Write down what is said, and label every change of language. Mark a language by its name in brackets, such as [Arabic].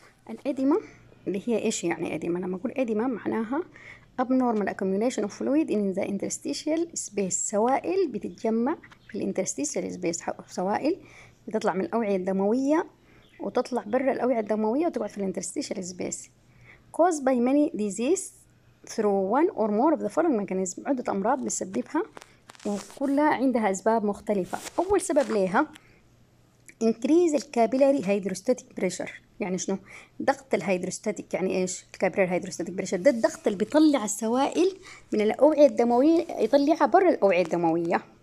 [Arabic] القديمة اللي هي ايش يعني قديمة؟ لما اقول قديمة معناها [English] abnormal accumulation of fluid in the interstitial space، [Arabic] سوائل بتتجمع في الانترستيشال سبيس، سوائل بتطلع من الاوعية الدموية وتطلع برا الاوعية الدموية وتقعد في الانترستيشال سبيس. [English] caused by many diseases through one or more of the following mechanism، [Arabic] عدة امراض بتسببها وكلها عندها اسباب مختلفة. اول سبب ليها increase الكابيلاري هيدروستاتيك بريشر، يعني شنو ضغط الهيدروستاتيك؟ يعني ايش الكابيلاري هيدروستاتيك بريشر؟ ده الضغط اللي بيطلع السوائل من الاوعيه الدمويه، يطلعها برا الاوعيه الدمويه.